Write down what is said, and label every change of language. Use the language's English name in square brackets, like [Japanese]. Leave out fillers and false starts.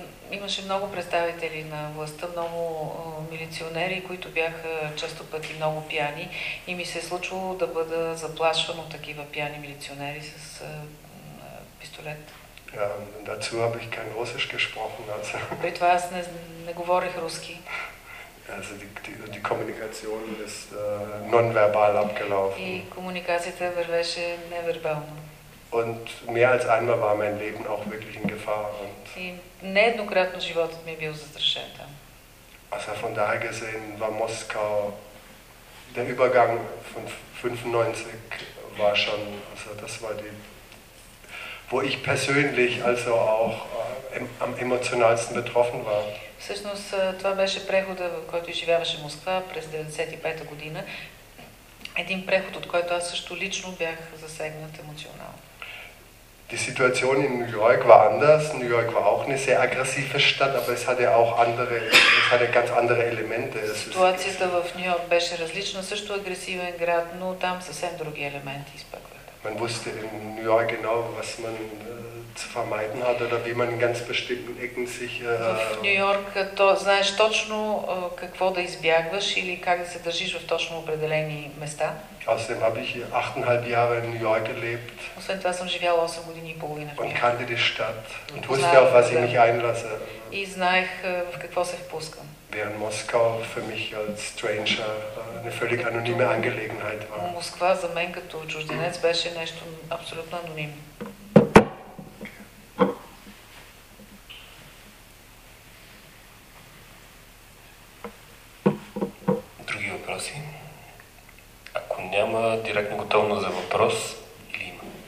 [Bulgarian] Имаше много представители на властта, много милиционери, които бяха често пъти много пияни и ми се е случвало да бъда заплашван от такива пияни милиционери с пистолет. [German] Dazu habe ich kein Russisch gesprochen. [Bulgarian] При това аз не говорих руски. [German] Also die Kommunikation ist nonverbal abgelaufen. [Bulgarian] И комуникацията вървеше невербално. [German] Und mehr als einmal war mein Leben auch wirklich in Gefahr. [Bulgarian] Нееднократно животът ми е бил застрашен там. [German] Also von daher gesehen war Moskau, der Übergang von 95 war schon, also das war die, wo ich persönlich also auch am emotionalsten betroffen war. [Bulgarian] Всъщност това беше прехода, в който изживяваше Москва през 95-та година. Един преход, от който аз също лично бях засегнат емоционално. [German] Die Situation in New York war anders. New York war auch eine sehr aggressive Stadt, aber es hatte auch andere, es hatte ganz andere Elemente. [Bulgarian] Ситуацията в Нью Йорк беше различна, също агресивен град, но там съвсем други елементи изпъкваха. [German] Man wusste in New York genau, was man zu vermeiden hat oder wie man in ganz bestimmten Ecken sich. [Bulgarian] В Нью Йорк то знаеш точно какво да избягваш или как да се държиш в точно определени места. [German] Außerdem habe ich 8,5 Jahre in New York gelebt. [Bulgarian] Освен това съм живял 8 години и половина. [German] Und kannte die Stadt und wusste, auf was ich mich einlasse. [Bulgarian] И знаех в какво се впускам. [German] Während Moskau für mich als stranger eine völlig anonyme Angelegenheit war. [Bulgarian] Москва за мен като чужденец беше нещо абсолютно анонимно. Други въпроси? Ако няма директна готовност за въпрос, или има?